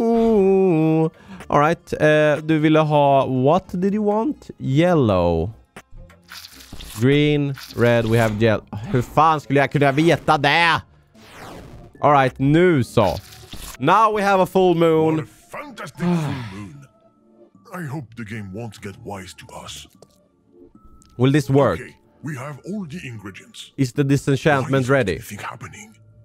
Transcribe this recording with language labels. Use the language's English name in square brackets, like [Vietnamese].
[English] All right, [Swedish] du ville ha, [English] what did you want? Yellow. Green, red, we have yellow. [Swedish] Hur fan skulle jag kunna veta det? [English] All right, [Swedish] nu så. [English] Now we have a full moon. What a fantastic full moon. I hope the game won't get wise to us. Will this work? Okay, we have all the ingredients. Is the disenchantment ready? What is anything happening?